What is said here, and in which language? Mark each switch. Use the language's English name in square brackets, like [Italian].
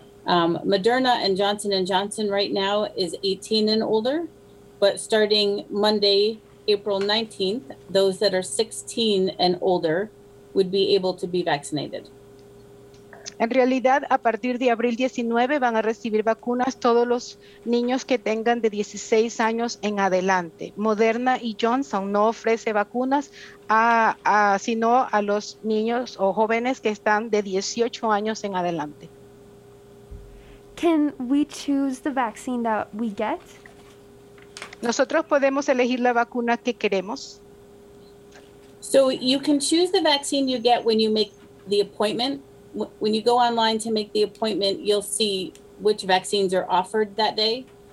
[English] Moderna and Johnson & Johnson right now is 18 and older, but starting Monday, April 19th, those that are 16 and older would be able to be vaccinated. [Spanish] En realidad, a partir de abril 19 van a recibir vacunas todos los niños que tengan de 16 años en adelante. Moderna y Johnson no ofrece vacunas sino a los niños o jóvenes que están de 18 años en adelante. [English] Can we choose the vaccine that we get? [Spanish] Nosotros podemos elegir la vacuna que queremos. [English] So you can choose the vaccine you get when you make the appointment. When you go online to make the appointment, you'll see which vaccines are offered that day.